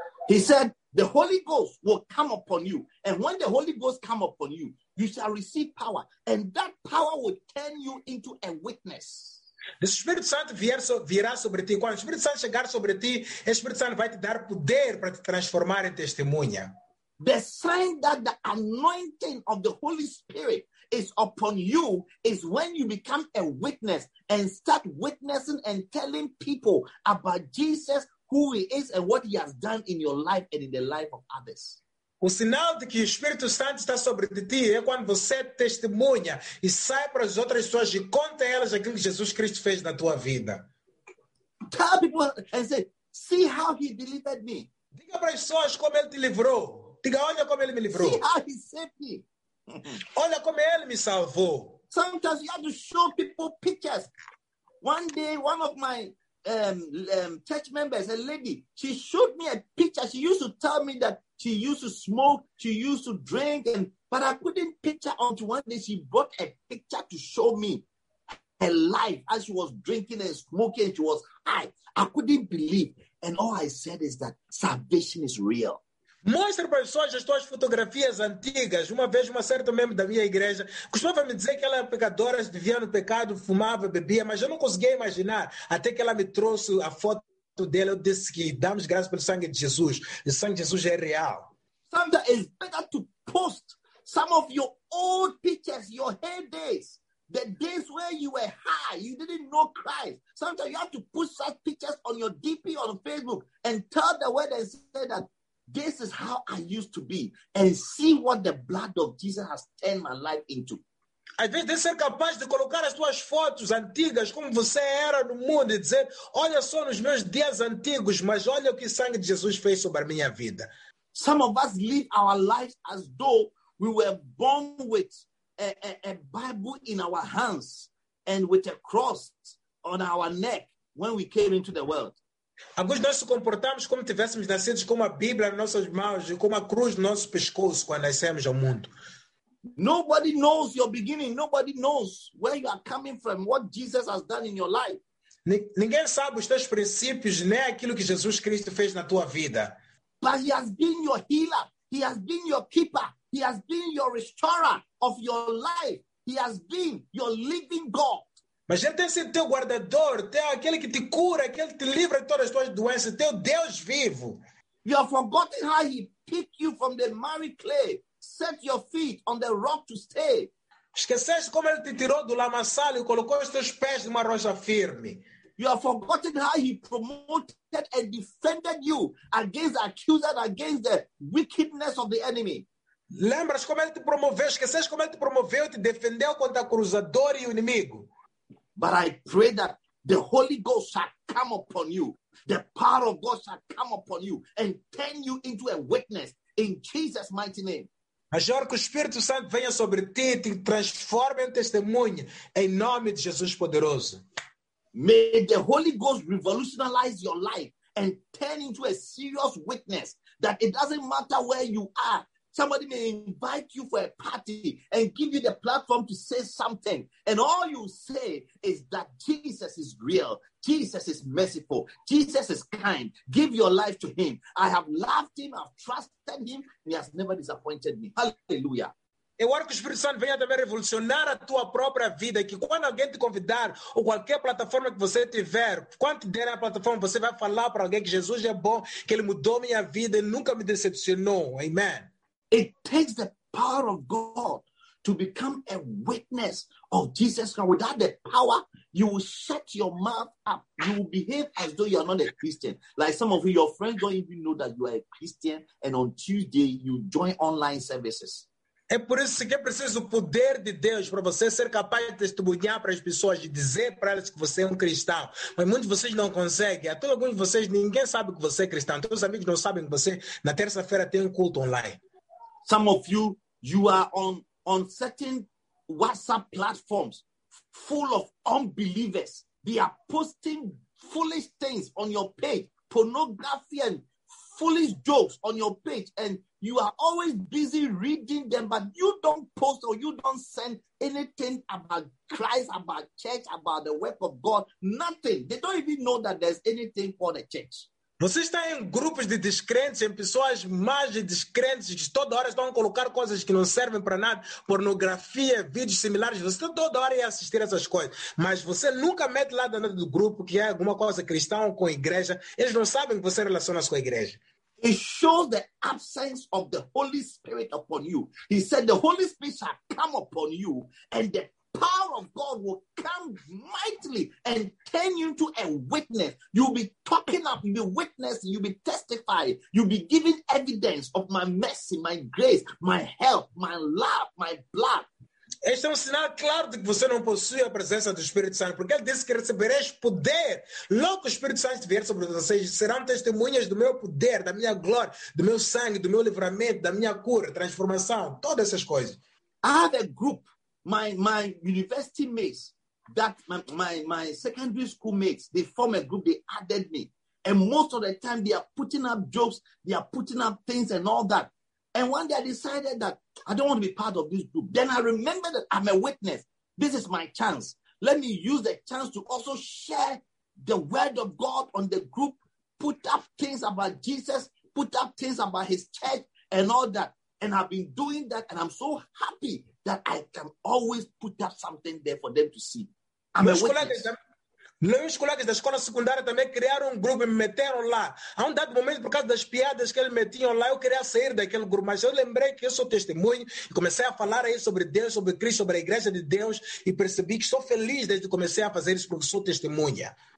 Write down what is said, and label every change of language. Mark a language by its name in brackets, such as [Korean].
[English] He said, the Holy Ghost will come upon you. And when the Holy Ghost come upon you, you shall receive power, and that power will turn you into a witness. [Portuguese] O Espírito Santo virá sobre ti. Quando o Espírito Santo chegar sobre ti, o Espírito Santo vai te dar poder para te transformar em testemunha. [English] The sign that the anointing of the Holy Spirit is upon you is when you become a witness and start witnessing and telling people about Jesus, who he is, and what he has done in your life and in the life of others. [Portuguese] O sinal de que o Espírito Santo está sobre ti é quando você testemunha e sai para as outras pessoas e conta a elas aquilo que Jesus Cristo fez na tua vida. [English] Tell people and say, see how he delivered me. [Portuguese] Diga para as pessoas como ele te livrou. Diga, olha como ele me livrou. [English] See how he saved me. [Portuguese] Olha como ele me salvou. [English] Sometimes you have to show people pictures. One day, one of my church members, a lady, she showed me a picture. She used to tell me that she used to smoke, she used to drink, but I couldn't picture until one day she brought a picture to show me her life as she was drinking and smoking, and she was high. I couldn't believe. And all I said is that salvation is real. [Portuguese] Mostra para as pessoas as tuas fotografias antigas. Uma vez, uma certa membro da minha igreja costumava me dizer que ela era pecadora, vivia no pecado, fumava, bebia, mas eu não conseguia imaginar. Até que ela me trouxe a foto dela, eu disse que damos graças pelo sangue de Jesus. O sangue de Jesus é real. [English] Sometimes it's better to post some of your old pictures, your heydays, the days where you were high, you didn't know Christ. Sometimes you have to put such pictures on your DP on Facebook and tell the world and say that this is how I used to be, and see what the blood of Jesus has turned my life into. [Portuguese] Às vezes, de ser capaz de colocar as tuas fotos antigas, como você era no mundo, e dizer, olha só nos meus dias antigos, mas olha o que o sangue de Jesus fez sobre a minha vida. [English] Some of us live our lives as though we were born with a Bible in our hands and with a cross on our neck when we came into the world. [Portuguese] Alguns nós nos comportamos como se tivéssemos nascido com uma Bíblia nas nossas mãos e com uma cruz no nosso pescoço quando nascemos ao mundo. [English] Nobody knows your beginning. Nobody knows where you are coming from, what Jesus has done in your life. [Portuguese] Ninguém sabe os teus princípios, nem aquilo que Jesus Cristo fez na tua vida. [English] But he has been your healer. He has been your keeper. He has been your restorer of your life. He has been your living God. [Portuguese] Mas ele tem sido teu guardador, teu aquele que te cura, aquele que te livra de todas as tuas doenças, teu Deus vivo. [English] You have forgotten how he picked you from the miry clay, set your feet on the rock to stay. [Portuguese] Esqueceste como ele te tirou do lamaçal e colocou os teus pés numa rocha firme. [English] You have forgotten how he promoted and defended you against the accuser, against the wickedness of the enemy. [Portuguese] Lembras como ele te promoveu, esqueceste como ele te promoveu e te defendeu contra o acusador e o inimigo. [English] But I pray that the Holy Ghost shall come upon you. The power of God shall come upon you and turn you into a witness in Jesus' mighty name. [Portuguese] Mas eu oro que o Espírito Santo venha sobre ti e te transforme em testemunha em nome de Jesus poderoso. [English] May the Holy Ghost revolutionize your life and turn into a serious witness that it doesn't matter where you are. Somebody may invite you for a party and give you the platform to say something. And all you say is that Jesus is real. Jesus is merciful. Jesus is kind. Give your life to him. I have loved him. I've trusted him. He has never disappointed me. Hallelujah. [Portuguese] Eu oro que o Espírito Santo venha também revolucionar a tua própria vida, que quando alguém te convidar, ou qualquer plataforma que você tiver, quando te der a plataforma, você vai falar para alguém que Jesus é bom, que ele mudou minha vida e nunca me decepcionou. Amen. [English] It takes the power of God to become a witness of Jesus Christ. Without the power, you will shut your mouth up. You will behave as though you are not a Christian. Like some of you, your friends don't even know that you are a Christian. And on Tuesday, you join online services. [Portuguese] É por isso que é preciso o poder de Deus para você ser capaz de testemunhar para as pessoas, de dizer para elas que você é um cristão. Mas muitos de vocês não conseguem. Até alguns de vocês, ninguém sabe que você é cristão. Todos os amigos não sabem que você, na terça-feira, tem um culto online. [English] Some of you, you are on certain WhatsApp platforms full of unbelievers. They are posting foolish things on your page, pornography and foolish jokes on your page. And you are always busy reading them, but you don't post or you don't send anything about Christ, about church, about the work of God, nothing. They don't even know that there's anything for the church. [Portuguese] Vocês estão em grupos de descrentes, em pessoas mais de descrentes, que toda hora estão a colocar coisas que não servem para nada, pornografia, vídeos similares, você está toda hora a assistir essas coisas. Mas você nunca mete lá dentro do grupo que é alguma coisa cristã ou com igreja. Eles não sabem que você relaciona-se com a igreja. [English] It shows the absence of the Holy Spirit upon you. He said the Holy Spirit shall come upon you and the power of God will come mightily and turn you into a witness. You'll be talking up, you'll be witnessing, you'll be testifying, you'll be giving evidence of my mercy, my grace, my help, my love, my blood. [Portuguese] Este é sinal claro de que você não possui a presença do Espírito Santo, porque ele disse que recebereis poder. Logo o Espírito Santo vier sobre vocês, serão testemunhas do meu poder, da minha glória, do meu sangue, do meu livramento, da minha cura, transformação, todas essas coisas. [English] I have a group, my university mates, that my secondary school mates, they form a group, they added me. And most of the time they are putting up jokes, they are putting up things and all that. And one day I decided that I don't want to be part of this group. Then I remembered that I'm a witness. This is my chance. Let me use the chance to also share the word of God on the group, put up things about Jesus, put up things about his church and all that. And I've been doing that. And I'm so happy that I can always put up something there for them to see. I'm a witness. [Portuguese] Meus colegas da escola secundária também criaram um grupo e me meteram lá. Há um dado momento, por causa das piadas que eles metiam lá, eu queria sair daquele grupo. Mas eu lembrei que eu sou testemunho e comecei a falar aí sobre Deus, sobre Cristo, sobre a igreja de Deus e percebi que sou feliz desde que comecei a fazer isso porque sou testemunha.